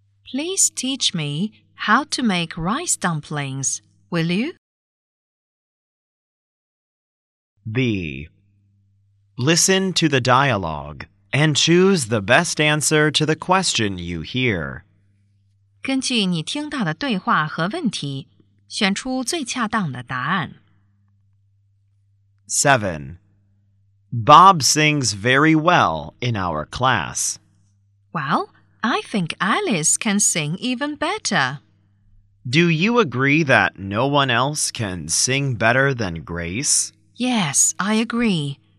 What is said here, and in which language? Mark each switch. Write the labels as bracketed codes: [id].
[en] Please teach me how to make rice dumplings, will you? B. Listen to the dialogue and choose the best answer to the question you hear. [zh] 根据你听到的对话和问题，选出最恰当的答案。 [en] 7. Bob sings very well in our class. Well, I think Alice can sing even better. Do you agree that no one else can sing better than Grace? Yes, I agree.